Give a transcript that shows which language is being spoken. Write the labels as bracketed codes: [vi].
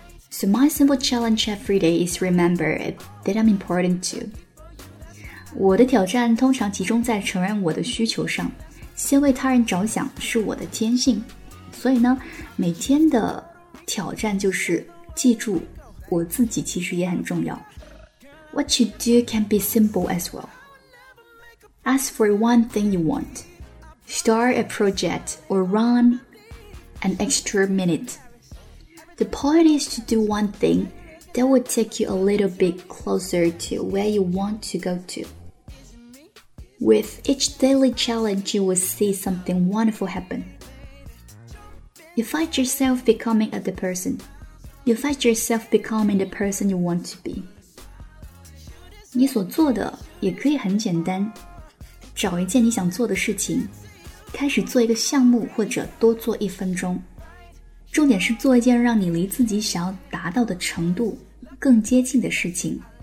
[en] So my simple challenge every day is remember it, that I'm important too. [zh] 我的挑战通常集中在承认我的需求上，先为他人着想是我的天性。所以呢，每天的挑战就是记住我自己其实也很重要。 [en] What you do can be simple as well. Ask for one thing you want. Start a project or runAn extra minute. The point is to do one thing that will take you a little bit closer to where you want to go to. With each daily challenge, you will see something wonderful happen. You find yourself becoming the person. You find yourself becoming the person you want to be. [zh] 你所做的也可以很简单，找一件你想做的事情，开始做一个项目或者多做一分钟。重点是做一件让你离自己想要达到的程度更接近的事情。